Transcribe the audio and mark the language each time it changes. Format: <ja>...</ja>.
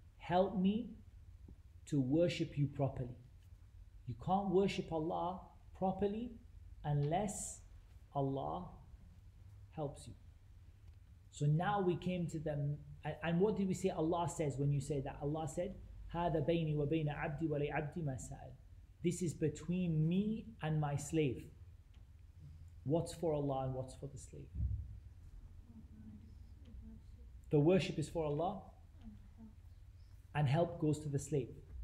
<en>Help me to worship you properly. You can't worship Allah properly unless Allah helps you. So now we came to them. And what did we say Allah says when you say that? Allah said,</en> <ar>هذا بيني وبين عبدي ولي عبدي ما سأل.</ar> <en>This is between me and my slave. What's for Allah and what's for the slave? The worship is for Allah, and help goes to the slave.</en>